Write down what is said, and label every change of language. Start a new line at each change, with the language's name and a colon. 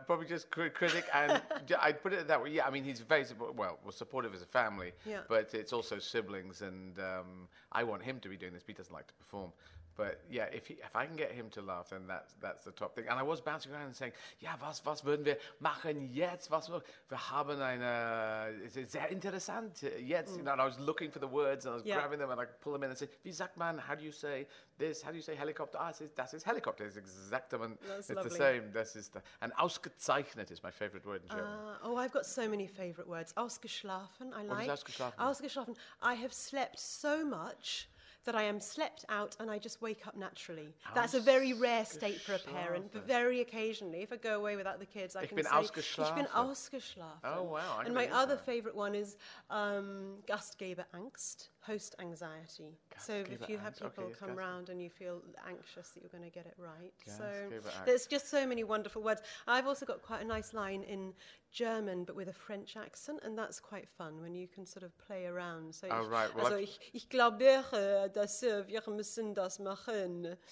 English: Probably just critic, and I'd put it that way. Yeah, I mean, he's very supportive as a family, but it's also siblings, and I want him to be doing this, but he doesn't like to perform. But yeah, if I can get him to laugh, then that's the top thing. And I was bouncing around and saying,
German: ja, was würden wir machen jetzt? Was wir haben eine,
English: is it
German: sehr interessant jetzt?
English: Mm. You know, and I was looking for the words, and I was grabbing them, and I pull them in and say,
German: wie sagt man,
English: how do you say this? How do you say helicopter?
German: Ah, das ist Helikopter.
English: It's exact. It's the same.
German: Das ist
English: and ausgezeichnet is my favorite word in German. I've got so many favorite words. Ausgeschlafen, I like. What is ausgeschlafen? Ausgeschlafen. I have slept so much that I am slept out and I just wake up naturally. That's a very rare state for a parent, but very occasionally, if I go away without the kids, I can say,
German: ausgeschlafen. Ich bin ausgeschlafen.
English: Oh, wow. And my other favorite one is Gastgeberangst, host anxiety. So if you have people come round and you feel anxious that you're going to get it right. So there's just so many wonderful words. I've also got quite a nice line in German, but with a French accent, and that's quite fun when you can sort of play around.
German: So ich glaube, dass wir müssen das machen.